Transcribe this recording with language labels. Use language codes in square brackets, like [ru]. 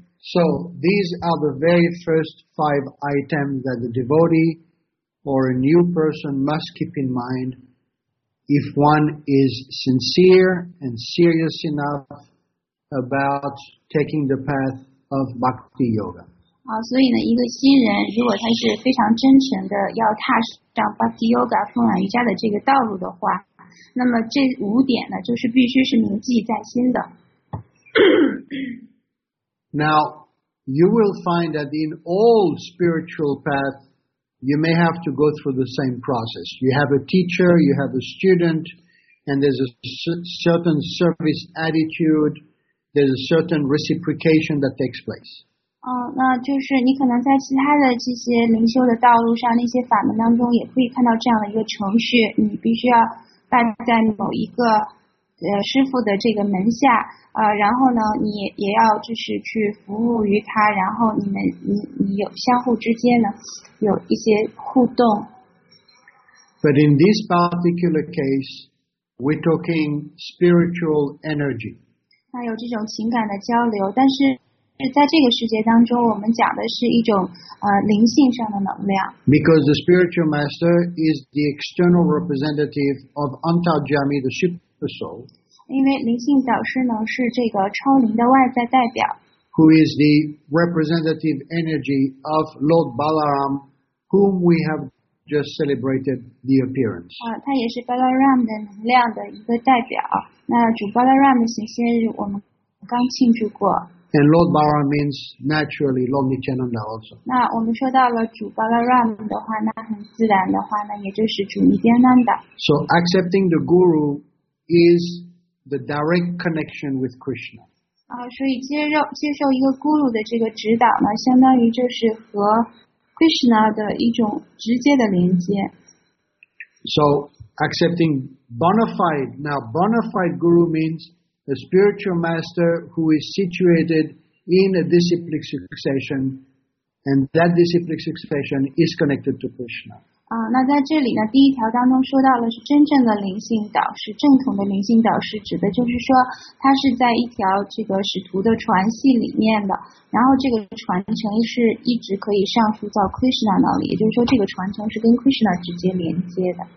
[en] So these are the very first 5 items that the devotee. Or a new person must keep in mind if one is sincere and serious enough about taking the path of bhakti yoga. [zh] 所以呢，一个新人如果他是非常真诚的要踏上 bhakti yoga 风雅瑜伽的这个道路的话，那么这五点呢，就是必须是铭记在心的。 [en] Now, you will find that in all spiritual paths. You may have to go through the same process. You have a teacher, you have a student, and there's a certain service attitude, there's a certain reciprocation that takes place. [zh] 那就是你可能在其他的这些灵修的道路上，那些法门当中也可以看到这样的一个程序。你必须要拜在某一个师父的这个门下，然后呢，你也要就是去服务于他，然后你有相互之间呢有一些互动。 [en] But in this particular case, we're talking spiritual energy. [zh] 那有这种情感的交流，但是在这个世界当中，我们讲的是一种灵性上的能量。 [en] Because the spiritual master is the external representative of Antarjami, the super soul. [zh] 因为灵性导师呢是这个超灵的外在代表 [en] ，Who is the representative energy of Lord Balaram, whom we have just celebrated the appearance. [zh] 它也是 Balaram 的能量的一个代表。那主 Balaram 的显现我们刚庆祝过。 [en] And Lord Balaram means naturally Lord Nityananda also. [zh] 那我们说到了主 Balaram 的话，那很自然的话呢，也就是主尼天南达。 [en] So accepting the Guru is the direct connection with Krishna. [zh] 所以接受一个 Guru 的这个指导呢，相当于就是和 Krishna 的一种直接的连接。 [en] So accepting bona fide. Now bona fide Guru means. A spiritual master who is situated in a disciplic succession, and that disciplic succession is connected to Krishna. [zh] 那在这里呢，第一条当中说到了是真正的灵性导师，正统的灵性导师，指的就是说他是在一条这个使徒的传系里面的，然后这个传承是一直可以上溯到 Krishna 那里，也就是说这个传承是跟 Krishna 直接连接的。